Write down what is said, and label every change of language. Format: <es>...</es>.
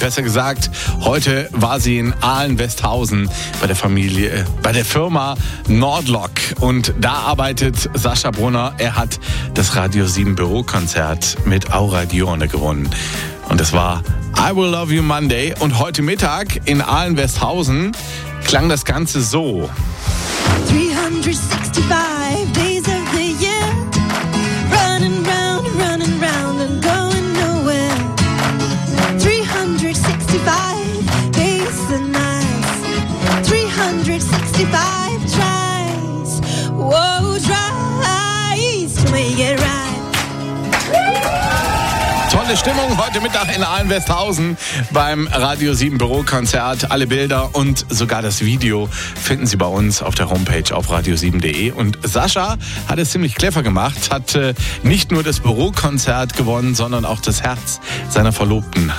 <de>Besser gesagt, heute war sie in Ahlen-Westhausen bei der Familie, bei der Firma Nordlock. Und da arbeitet Sascha Brunner. Er hat das Radio 7 Bürokonzert mit Aura Dione gewonnen. Und das war I Will Love You Monday. Und heute Mittag in Ahlen-Westhausen klang das Ganze so.</de> <en>365 days of the year, running round and going nowhere. 365 days and nights, 365 tries, whoa, tries to make it right.</en> <de>Tolle Stimmung heute Mittag in Ahlen-Westhausen beim Radio 7 Bürokonzert. Alle Bilder und sogar das Video finden Sie bei uns auf der Homepage auf radio7.de. Und Sascha hat es ziemlich clever gemacht, hat nicht nur das Bürokonzert gewonnen, sondern auch das Herz seiner Verlobten.</de>